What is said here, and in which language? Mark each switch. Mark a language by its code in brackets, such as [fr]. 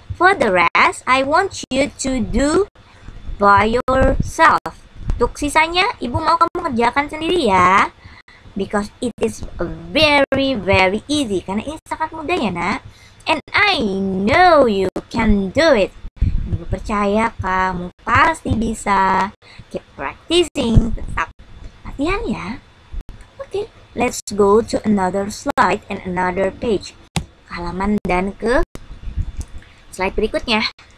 [en] For the rest, I want you to do by yourself. [id] Untuk sisanya, ibu mau kamu kerjakan sendiri ya. [en] Because it is very, very easy. [id] Karena ini sangat mudah ya, nak. [en] And I know you can do it. [id] Ibu percaya kamu pasti bisa. [en] Keep practicing. [id] Tetap latihan ya. [en] Okay. Let's go to another slide and another page. [id] Halaman dan ke slide berikutnya.